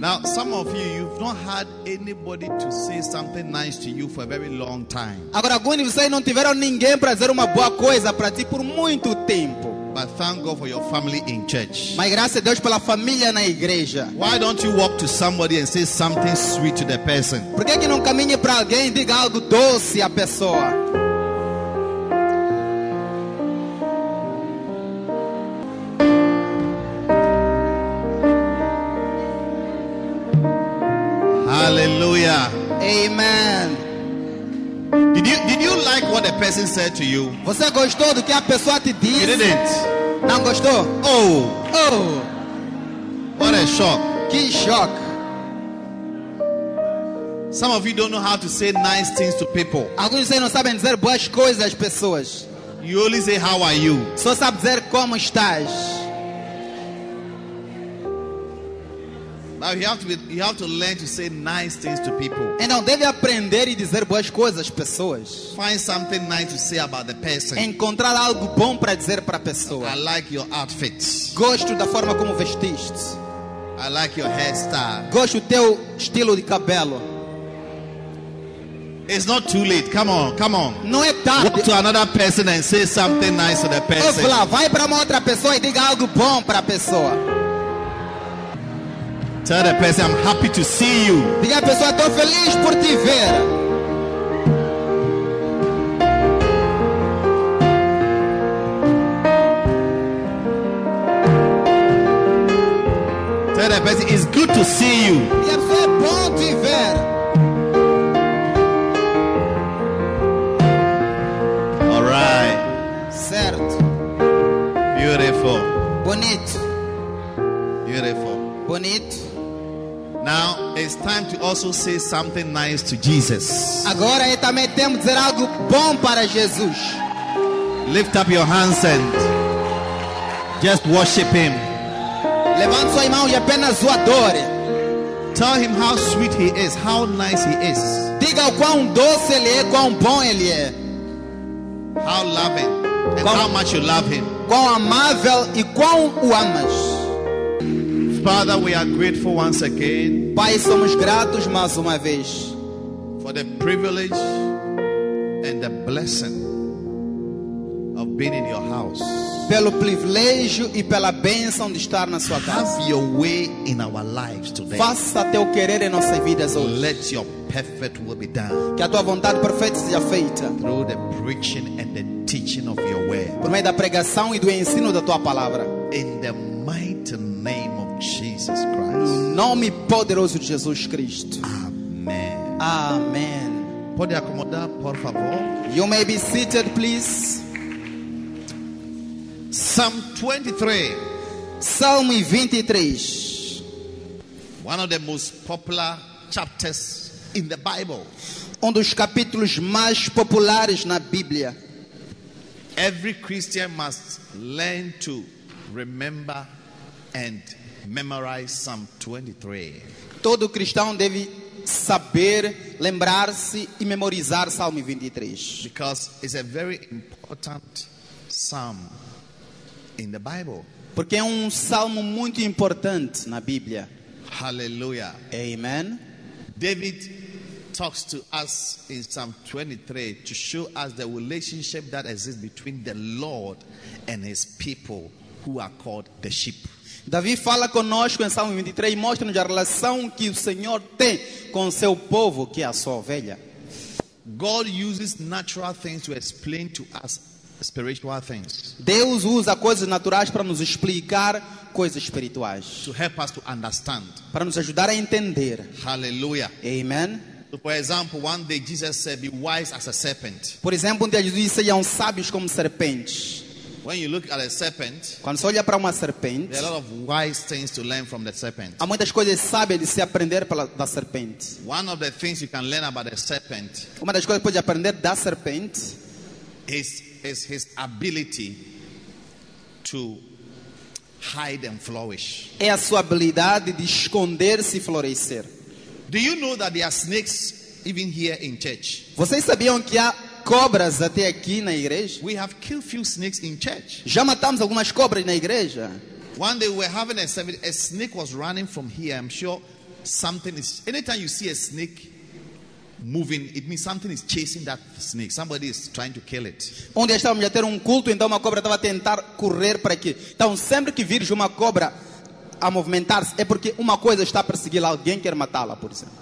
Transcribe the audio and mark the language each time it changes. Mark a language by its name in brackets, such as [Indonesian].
[English] Now, some of you, you've not had anybody to say something nice to you for a very long time. [Portuguese] Agora, alguns de vocês não tiveram ninguém para dizer uma boa coisa para ti por muito tempo. [English] But thank God for your family in church. [Portuguese] Mas graças a Deus pela família na igreja. [English] Why don't you walk to somebody and say something sweet to the person? [Portuguese] Por que não caminhe para alguém e diga algo doce à pessoa? [English] Hallelujah. [Portuguese] Amen. [English] Did you like what the person said to you? [Portuguese] Você gostou do que a pessoa te disse? [English] You didn't. [Portuguese] Não gostou? Oh. Oh. [English] What a shock. [Portuguese] Que shock. [English] Some of you don't know how to say nice things to people. [Portuguese] Alguns de vocês não sabem dizer boas coisas às pessoas. [English] You only say how are you. [Portuguese] Só sabe dizer como estás. [English] You have to learn to say nice things to people. [Portuguese] Então deve aprender e dizer boas coisas às pessoas. [English] Find something nice to say about the person. [Portuguese] Encontrar algo bom para dizer para a pessoa. [English] I like your outfit. [Portuguese] Gosto da forma como vestiste. [English] I like your hairstyle. [Portuguese] Gosto do teu estilo de cabelo. [English] It's not too late. Come on, come on. [Portuguese] Não é tarde. [English] Walk to another person and say something nice to the person. [Portuguese] Ouve lá, vai para uma outra pessoa e diga algo bom para a pessoa. [English] Tell the person, I'm happy to see you. [Portuguese] Diga a pessoa, estou feliz por te ver. [English] Tell the person, it's good to see you. [Portuguese] Diga a pessoa, é bom te ver. [English] All right. [Portuguese] Certo. [English] Beautiful. [Portuguese] Bonito. [English] Beautiful. [Portuguese] Bonito. [English] Now it's time to also say something nice to Jesus. [Portuguese] Agora é também tempo de dizer algo bom para Jesus. [English] Lift up your hands and just worship him. [Portuguese] Levante sua mão e apenas o adore. [English] Tell him how sweet he is, how nice he is. [Portuguese] Diga o quão doce ele é, quão bom ele é. [English] How loving and [Portuguese] quão, [English] how much you love him. [Portuguese] Quão amável e quão o amas. [English] Father, we are grateful once again. [Portuguese] Pai, somos gratos mais uma vez. [English] For the privilege and the blessing of being in your house. [Portuguese] Pelo privilégio e pela bênção de estar na sua casa. [English] Have your way in our lives today. [Portuguese] Faça teu querer em nossas vidas hoje. [English] Let your perfect will be done. [Portuguese] Que a tua vontade perfeita seja feita. [English] Through the preaching and the teaching of your word. [Portuguese] Por meio da pregação e do ensino da tua palavra. [English] In the mighty name of Jesus Christ. [Portuguese] No nome poderoso de Jesus Cristo. [English] Amen. [Portuguese] Amen. Pode acomodar, por favor. [English] You may be seated, please. Psalm 23. Psalm 23. One of the most popular chapters in the Bible. [Portuguese] Dos capítulos mais populares na Bíblia. [English] Every Christian must learn to remember and memorize Psalm 23. [Portuguese] Todo cristão deve saber, lembrar-se e memorizar Salmo 23. [English] Because it's a very important psalm in the Bible. [Portuguese] Porque é salmo muito importante na Bíblia. [English] Hallelujah. [Portuguese] Amen. [English] David talks to us in Psalm 23 to show us the relationship that exists between the Lord and his people who are called the sheep. [Portuguese] Davi fala conosco em Salmo 23 e mostra-nos a relação que o Senhor tem com o seu povo, que é a sua ovelha. [English] God uses natural things to explain to us spiritual things. [Portuguese] Deus usa coisas naturais para nos explicar coisas espirituais. [English] To help us to understand. [Portuguese] Para nos ajudar a entender. [English] Hallelujah. [Portuguese] Amen. [English] For example, one day Jesus said, "Be wise as a serpent." [Portuguese] Por exemplo, um dia Jesus disse, "Sejam sábios como serpentes." [English] When you look at a serpent, [Portuguese] quando você olha para uma serpente, [English] there are a lot of wise things to learn from the serpent. [Portuguese] Há muitas coisas sábias de se aprender da serpente. [English] One of the things you can learn about the serpent, [Portuguese] uma das coisas que pode aprender da serpente, [English] is his ability to hide and flourish. [Portuguese] É a sua habilidade de esconder-se e florescer. [English] Do you know that there are snakes even here in church? [Portuguese] Vocês sabiam que há cobras até aqui na igreja? [English] We have killed few snakes in church. [Portuguese] Já matamos algumas cobras na igreja. [English] One day we were having a service, a snake was running from here. I'm sure something is. Anytime you see a snake moving, it means something is chasing that snake. Somebody is trying to kill it. [Portuguese] Onde estávamos a ter culto, então uma cobra estava a tentar correr para aqui. Então sempre que vires uma cobra a movimentar-se, é porque uma coisa está a persegui-la, alguém quer matá-la, por exemplo.